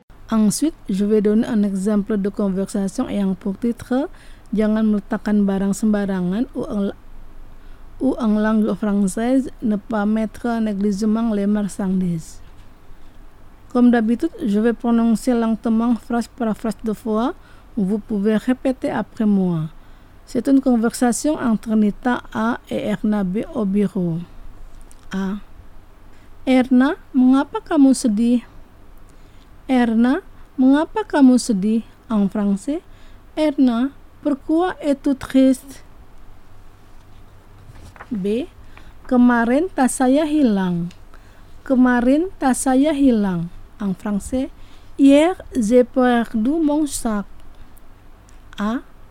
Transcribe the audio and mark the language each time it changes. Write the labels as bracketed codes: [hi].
[fr] Ensuite, je vais donner un exemple de conversation ayant pour titre « [id] Jangan meletakkan barang sembarangan [fr] » ou en langue française « Ne pas mettre négligemment les marchandises ». Comme d'habitude, je vais prononcer lentement phrase par phrase de fois. Vous pouvez répéter après moi. C'est une conversation entre Nita A et Erna B au bureau. A. [id] Erna, mengapa kamu sedih? Erna, mengapa kamu sedih? [fr] En français, Erna, pourquoi es-tu triste? [id] B. Kemarin tas saya hilang. Kemarin tas saya hilang. [fr] En français, hier j'ai perdu mon sac. A.